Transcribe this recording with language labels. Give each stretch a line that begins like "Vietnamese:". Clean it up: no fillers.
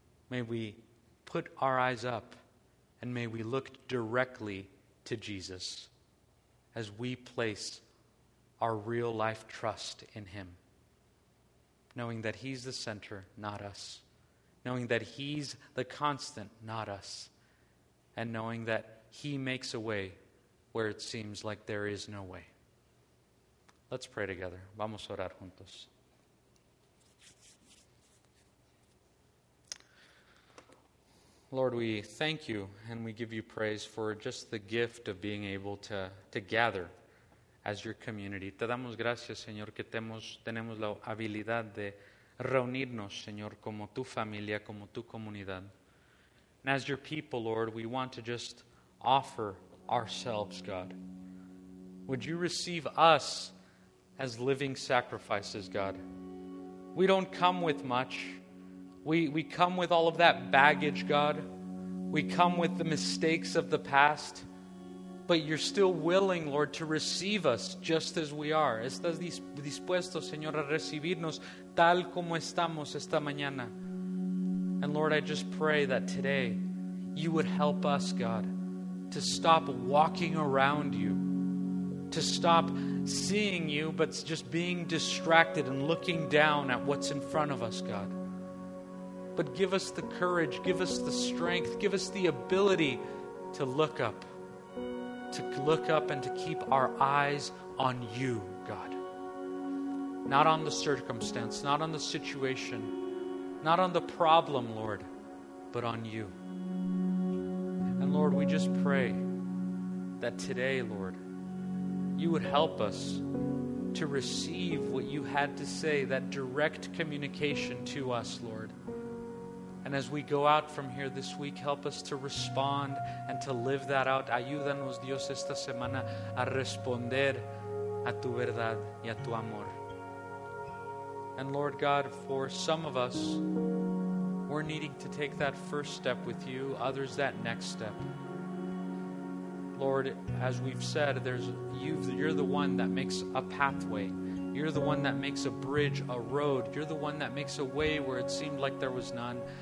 English: May we put our eyes up, and may we look directly to Jesus as we place our real life trust in Him, knowing that He's the center, not us, knowing that He's the constant, not us, and knowing that He makes a way where it seems like there is no way. Let's pray together.
Spanish: Vamos a orar juntos.
English: Lord, we thank You and we give You praise for just the gift of being able to gather as Your community.
Spanish: Te damos gracias, Señor, que tenemos la habilidad de reunirnos, Señor, como Tu familia, como Tu comunidad.
English: And as Your people, Lord, we want to just offer ourselves, God. Would You receive us as living sacrifices, God? We don't come with much. We come with all of that baggage, God. We come with the mistakes of the past. But you're still willing, Lord, to receive us just as we are.
Spanish: Estás dispuesto, Señor, a recibirnos tal como estamos esta mañana.
English: And Lord, I just pray that today you would help us, God, to stop walking around you, to stop seeing you, but just being distracted and looking down at what's in front of us, God. But give us the courage, give us the strength, give us the ability to look up. To look up and to keep our eyes on you, God. Not on the circumstance, not on the situation, not on the problem, Lord, but on you. And Lord, we just pray that today, Lord, you would help us to receive what you had to say, that direct communication to us, Lord. And as we go out from here this week, help us to respond and to live that out.
Spanish: Ayúdanos, Dios, esta semana a responder a tu verdad y a tu amor.
English: And Lord God, for some of us, we're needing to take that first step with you, others that next step. Lord, as we've said, you're the one that makes a pathway. You're the one that makes a bridge, a road. You're the one that makes a way where it seemed like there was none.